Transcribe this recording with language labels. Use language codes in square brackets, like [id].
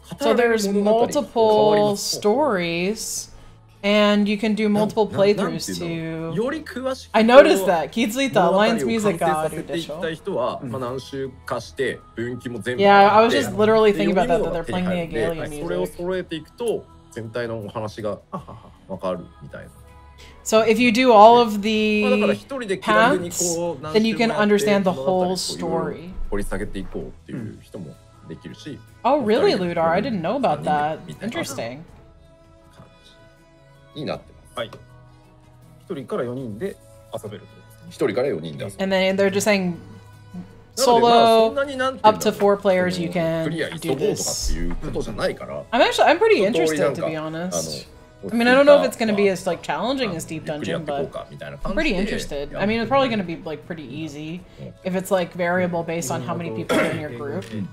[en] So there's multiple stories, and you can do multiple playthroughs too. [ja] より詳しく、 [en] I noticed that. [ja] 気づいた。 [en] Lion's Music [ja] が出てきた人は、まあ何週かして分岐も全部。 [en] Yeah, I was just literally thinking about that. They're playing the Agalian music. [ja] それを揃えていくと、全体のお話がわかるみたいな。 [en] So if you do all of the paths, then you can understand the whole story. [ja] 掘り下げていこうっていう人もできるし。 [en] Oh really, Ludar? I didn't know about that. Interesting. [ja] いいなってます。はい。一人から四人で遊べる。一人から四人で遊べる。 [en] And then they're just saying solo up to four players you can do this. I'm actually pretty interested to be honest. I mean, I don't know if it's going to be as like, challenging as Deep Dungeon, but I'm pretty interested. I mean, it's probably going to be like, pretty easy if it's like, variable based on how many people are in your group.